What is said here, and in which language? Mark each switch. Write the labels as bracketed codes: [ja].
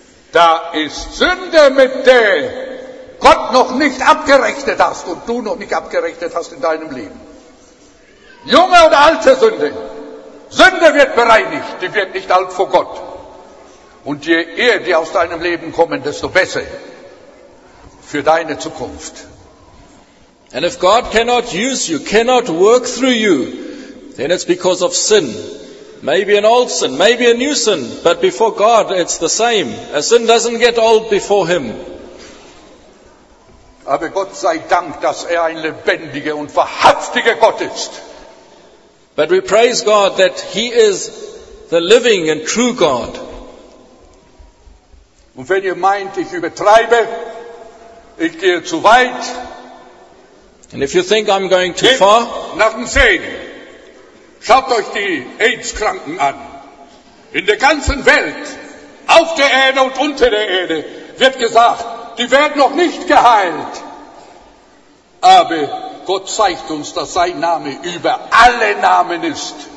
[de] Da ist Sünde, mit der Gott noch nicht abgerechnet hast und du noch nicht abgerechnet hast in deinem Leben. Junge oder alte Sünde. Sünde wird bereinigt, die wird nicht alt vor Gott. Und je eher die aus deinem Leben kommen, desto besser für deine Zukunft. [en] And if God cannot use you, cannot work through you, then it's because of sin. Maybe an old sin, maybe a new sin, but before God it's the same. A sin doesn't get old before him. [de] Aber Gott sei Dank, dass er ein lebendiger und wahrhaftiger Gott ist. [en] But we praise God that he is the living and true God. [de] Und wenn ihr meint, ich übertreibe, ich gehe zu weit. [en] And if you think I'm going too far, [de] nach dem Sehen, schaut euch die AIDS-Kranken an. In der ganzen Welt, auf der Erde und unter der Erde, wird gesagt, die werden noch nicht geheilt. Aber Gott zeigt uns, dass sein Name über alle Namen ist.